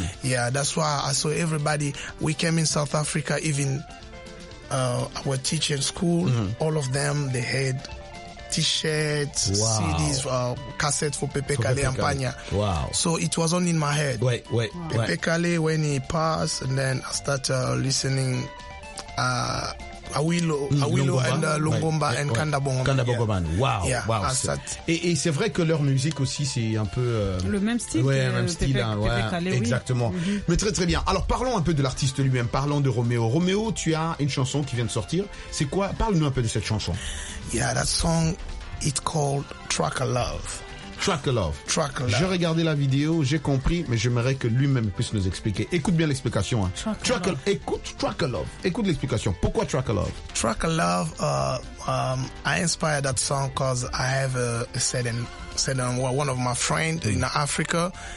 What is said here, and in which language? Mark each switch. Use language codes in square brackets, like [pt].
[en] Yeah, that's why I saw everybody. We came in South Africa, even our teacher in school, all of them, they had T-shirts, CDs, cassettes for Pépé Calé and Pagna. Wow. So it was only in my head. Wait. Pépé Calé, when he passed, and then I started listening Awilo and Lungomba and Kanda Bongoman. Wow. [fr] Et c'est vrai que leur musique aussi, c'est un peu... Le même style. Ouais, même style. Hein, ouais, exactement. Oui. Mais très, très bien. Alors, parlons un peu de l'artiste lui-même. Parlons de Roméo. Roméo, tu as une chanson qui vient de sortir. C'est quoi? Parle-nous un peu de cette chanson. [en] Yeah, that song, it's called Track of Love. Track of Love. Track of Love. [fr] J'ai regardé la vidéo, j'ai compris, mais j'aimerais que lui-même puisse nous expliquer. Écoute bien l'explication. Hein. Track of Love. Écoute l'explication. Pourquoi Track of Love? [en] Track of Love, I inspired that song because I have a certain one of my friends in Africa.